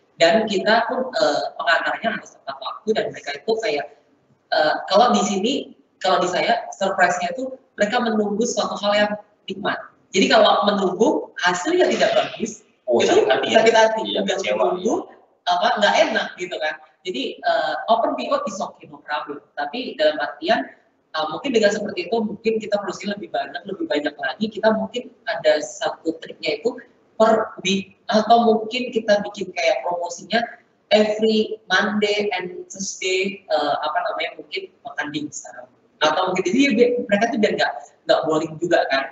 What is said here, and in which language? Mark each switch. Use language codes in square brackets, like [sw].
[id] Dan kita pun pengantarnya harus tepat waktu dan mereka itu kayak, kalau di sini, kalau di saya, surprise-nya itu mereka menunggu suatu hal yang nikmat. Jadi kalau menunggu hasil yang tidak bagus, sakit hati, nggak enak gitu kan. [en] Jadi open PO is okay, no problem. [id] Tapi dalam artian mungkin dengan seperti itu mungkin kita produksi lebih banyak lagi. Kita mungkin ada satu triknya itu per week atau mungkin kita bikin kayak promosinya [en] every Monday and Tuesday [id] mungkin makan dimsum atau mungkin jadi mereka tuh biar nggak boring juga kan.